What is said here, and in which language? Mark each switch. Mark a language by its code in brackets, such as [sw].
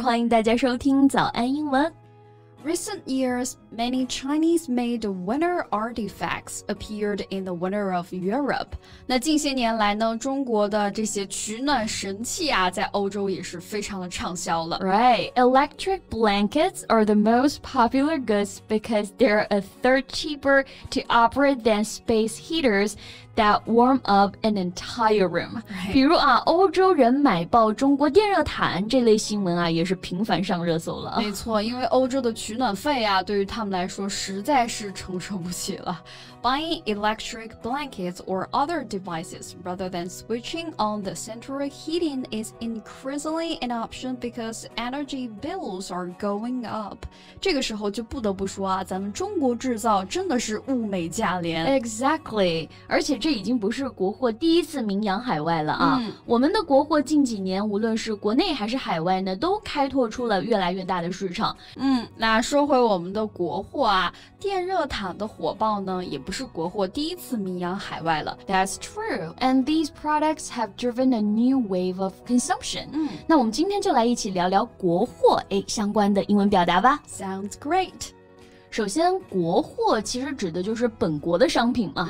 [zh] 欢迎大家收听早安英文。 [en] Recent years, many Chinese-made winter artifacts appeared in the winter of Europe. [zh] 那近些年来呢，中国的这些取暖神器啊，在欧洲也是非常的畅销了。 [en] Right, electric blankets are the most popular goods because they're a third cheaper to operate than space heaters that warm up an entire room. Right. [zh] 比如啊，欧洲人买爆中国电热毯这类新闻啊，也是频繁上热搜了。没错，因为欧洲的取暖费啊，对于他们来说实在是承受不起了。 [en] Buying electric blankets or other devices rather than switching on the central heating is increasingly an option because energy bills are going up. [zh] 这个时候就不得不说啊，咱们中国制造真的是物美价廉。 [en] Exactly. [zh] 而且这已经不是国货第一次名扬海外了啊。我们的国货近几年无论是国内还是海外呢，都开拓出了越来越大的市场。那说回我们的国货啊，电热毯的火爆呢，也不是国货第一次名扬海外了。 [en] That's true. And these products have driven a new wave of consumption. [zh] 那我们今天就来一起聊聊国货相关的英文表达吧。 [en] Sounds great. [zh] 首先国货其实指的就是本国的商品嘛、